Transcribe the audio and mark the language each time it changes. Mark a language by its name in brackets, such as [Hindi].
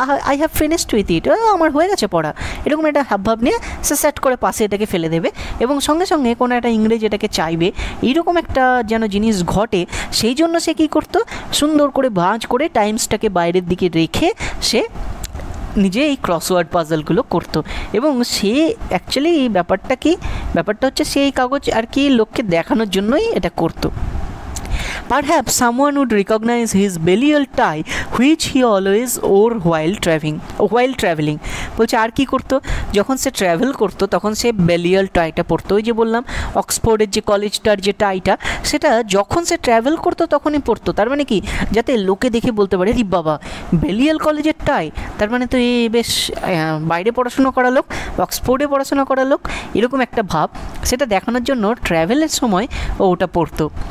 [English] I have finished with it, [Bangla] আমার হয়ে গেছে পড়া, এরকম একটা হাবভাব নিয়ে সে সেট করে পাশে এটাকে ফেলে দেবে, এবং সঙ্গে সঙ্গে কোনো একটা ইংরেজ এটাকে চাইবে, এইরকম একটা যেন জিনিস ঘটে, সেই জন্য সে কী করতো, সুন্দর করে ভাঁজ করে টাইমসটাকে বাইরের দিকে রেখে সে নিজে এই ক্রসওয়ার্ড পাজলগুলো করতো। এবং সে অ্যাকচুয়ালি এই ব্যাপারটা কি, ব্যাপারটা হচ্ছে সে এই কাগজ আর কি লোককে দেখানোর জন্যই এটা করতো। [English] Perhaps someone would recognize his belial tie which he always wore while traveling. [Bangla] বলছে আর কী করতো, যখন সে ট্র্যাভেল করতো তখন সে বেলিয়াল টাইটা পরতো, ওই যে বললাম অক্সফোর্ডের যে কলেজটার যে টাইটা, সেটা যখন সে ট্র্যাভেল করতো তখনই পরতো। তার মানে কি, যাতে লোকে দেখে বলতে পারে রি বাবা বেলিয়াল কলেজের টাই, তার মানে তো এ বেশ বাইরে পড়াশুনো করা লোক, অক্সফোর্ডে পড়াশুনো করা লোক, এরকম একটা ভাব, সেটা দেখানোর জন্য ট্র্যাভেলের সময় ও ওটা পরতো।